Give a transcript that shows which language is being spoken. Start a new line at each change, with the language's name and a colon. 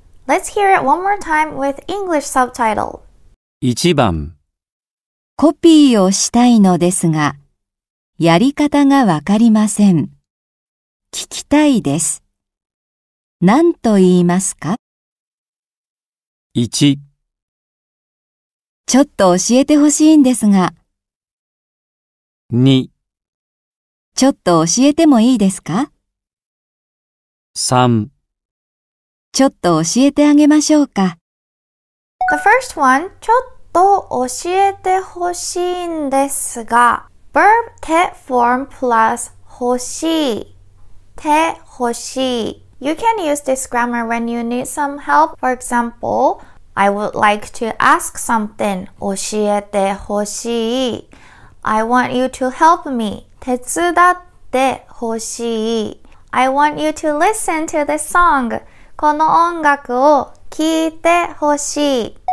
English: Let's hear it one more time with English subtitle.
Japanese: 1番コピーをしたいのですが、やり方がわかりません。聞きたいです。何と言いますか ?1 ちょっと教えてほしいんですが 2 ちょっと教えてもいいですか ?3 ちょっと教えてあげましょうか。
English: The first one, ちょっと教えてほしいんですが verb て form plus 欲しい。
Japanese: て欲しい。
English: You can use this grammar when you need some help. For example, I would like to ask something. 教えてほしい。 I want you to help me.
Japanese: 手伝ってほしい。
English: I want you to listen to this song.
Japanese: この音楽を聞いてほしい。